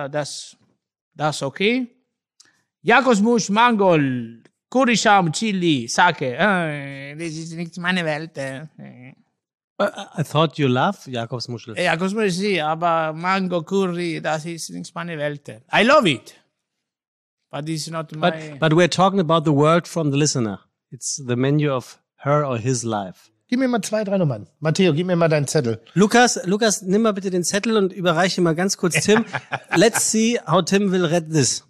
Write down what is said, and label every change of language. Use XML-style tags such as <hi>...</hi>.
<de>Das okay. Jakobsmus, Mangold. Curryschaum, Chili, Sake. Das ist nicht meine Welt.</de> <en>I thought you love Jakobsmuschel.</en> <de>Jakobsmuschel, sí, aber Mango, Curry, das ist nicht meine Welt.</de> <en>I love it. But it's not my... But we're talking about the world from the listener. It's the menu of her or his life.</en> <de>Gib mir mal zwei, drei Nummern. Matteo, gib mir mal deinen Zettel. Lukas, nimm mal bitte den Zettel und überreiche mal ganz kurz Tim.</de> <en>Let's see how Tim will read this.</en>